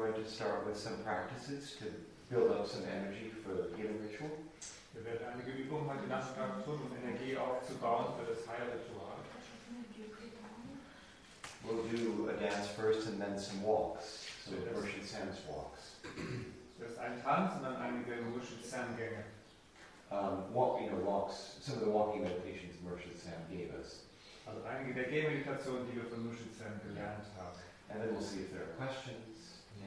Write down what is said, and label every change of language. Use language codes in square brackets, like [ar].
[en] Start with some practices to build up some energy for the healing ritual. [de] Wir werden einige Übungen heute Nachmittag tun, um Energie aufzubauen für das Heilritual. [en] We'll do a dance first and then some walks, some Roshi Tsang's walks. [de] Zuerst ein Tanz und dann einige Roshi Tsang-Gänge. [en] Walks, some of the walking meditations Roshi Tsang gave us. [de] Also einige der Gehmeditationen, die wir von Roshi Tsang gelernt haben. [en] And then we'll see if there are questions.